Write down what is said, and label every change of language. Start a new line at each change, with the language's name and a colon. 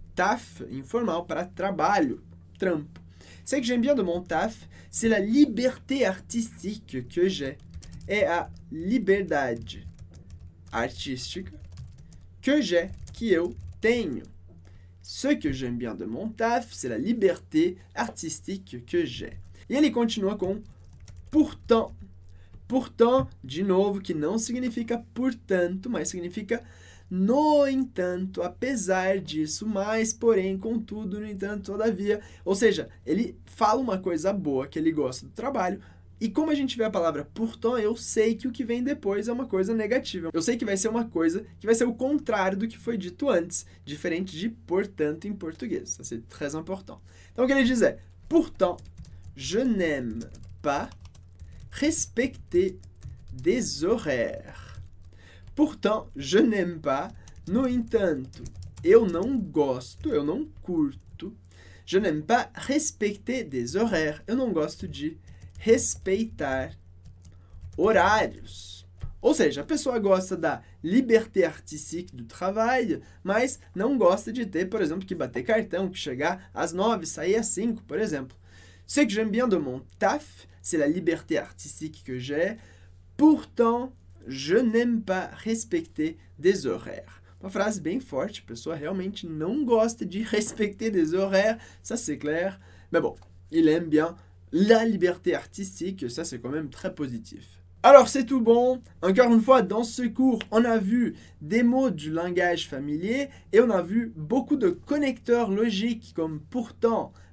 Portuguese: Taf, informal, para trabalho, trampo.
French: Ce que j'aime bien de mon taf, c'est la liberté artistique que j'ai.
Portuguese: É a liberdade artística
French: que j'ai,
Portuguese: que eu tenho.
French: Ce que j'aime bien de mon taf, c'est la liberté artistique que j'ai.
Portuguese: E ele continua com pourtant. Pourtant, de novo, que não significa portanto, mas significa no entanto, apesar disso, mas, porém, contudo, no entanto, todavia. Ou seja, ele fala uma coisa boa, que ele gosta do trabalho, e como a gente vê a palavra pourtant, eu sei que o que vem depois é uma coisa negativa. Eu sei que vai ser uma coisa que vai ser o contrário do que foi dito antes, diferente de portanto em português. Isso é
French: très important.
Portuguese: Então, o que ele diz é,
French: pourtant, je n'aime pas respecter des horaires. Pourtant, je n'aime pas.
Portuguese: No entanto, eu não gosto, eu não curto.
French: Je n'aime pas respecter des horaires.
Portuguese: Eu não gosto de respeitar horários. Ou seja, a pessoa gosta da liberté artistique do trabalho, mas não gosta de ter, por exemplo, que bater cartão, que chegar às 9, sair às 5, por exemplo.
French: Ce que j'aime bien de mon taf, c'est la liberté artistique que j'ai. Pourtant, je n'aime pas respecter des horaires.
Portuguese: Uma frase bem forte. A pessoa realmente não gosta de
French: respecter des horaires. Ça, c'est clair. Mais bon, il aime bien la liberté artistique. Ça, c'est quand même très positif. Alors, c'est tout bon. Encore une fois, dans ce cours, on a vu des mots du langage familier et on a vu beaucoup de connecteurs logiques comme « pourtant ».